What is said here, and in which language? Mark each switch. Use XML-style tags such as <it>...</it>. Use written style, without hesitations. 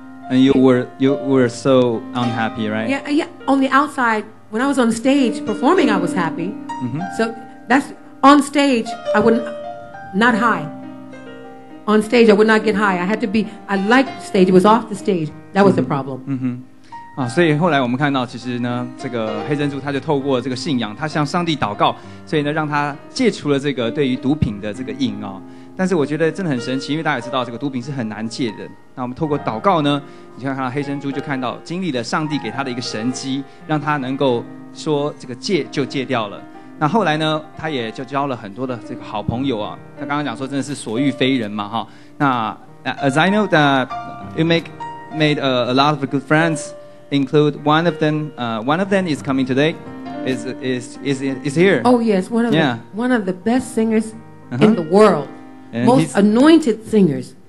<en>And you were so unhappy, right? Yeah, yeah. On the outside, when I was on stage performing, I was happy. Mm-hmm. So that's, on stage, I wouldn't, not high. On stage, I would not get high. I had to be, I liked stage. It was off the stage. That was the problem.</en> <zh>啊，所以后来我们看到，其实呢，这个黑珍珠他就透过这个信仰，他向上帝祷告，所以呢，让他戒除了这个对于毒品的这个瘾哦。但是我觉得真的很神奇，因为大家也知道这个毒品是很难戒的。那我们透过祷告呢，你就看到黑珍珠就看到经历了上帝给他的一个神迹，让他能够说这个戒就戒掉了。那后来呢，他也就交了很多的这个好朋友啊。他刚刚讲说真的是所遇非人嘛哈。</zh> <en>那 as I know that you made a lot of good friends. Include one of them. One of them is coming today. Is here. Oh yes, one of the best singers in the world, most anointed singers.</en>